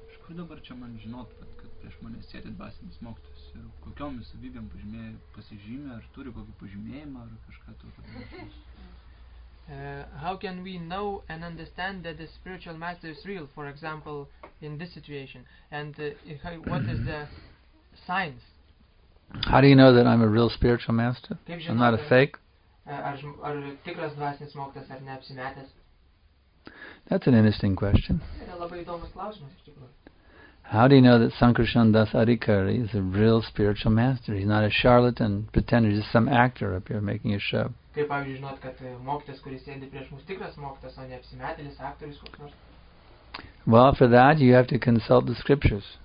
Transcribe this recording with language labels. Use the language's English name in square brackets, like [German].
[Lithuanian] Dabar čia man žinot, kad prieš mane sėdi dvasinis mokytojas ir kokiomis savybėm pasižymė, ar turi kokį pažymėjimą, ar kažką to. [English] How can we know and understand that the spiritual master is real, for example, in this situation? And what is the signs? How do you know that I'm a real spiritual master? [Lithuanian] Žinot, [English] I'm not a fake? [Lithuanian] Ar tikras dvasinis mokytas, ar neapsimetęs? [English] That's an interesting question. [Lithuanian] Yra labai įdomus klausimas, iš tikrųjų. [English] How do you know that Sankarshan Das Adhikari is a real spiritual master? He's not a charlatan, pretender, just some actor up here making a show. Well, for that you have to consult the scriptures.